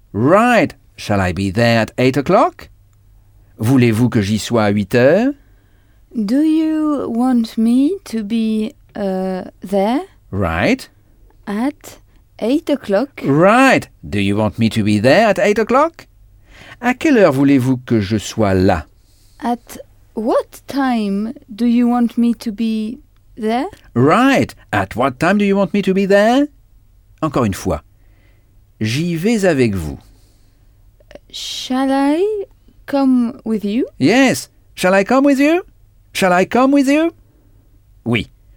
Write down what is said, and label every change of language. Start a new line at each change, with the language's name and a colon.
English: Right. Shall I be there at 8 o'clock?
French: Voulez-vous que j'y sois à 8 heures?
English: Do you want me to be there? Right. At 8 o'clock. Right. Do you want me to be there at 8 o'clock?
French: À quelle heure voulez-vous que je sois là?
English: At... What time do you want me to be there? Right. At what time do you want me to be there?
French: Encore une fois. J'y vais avec vous.
English: Shall I come with you? Yes. Shall I come with you? Shall I come with you? Oui.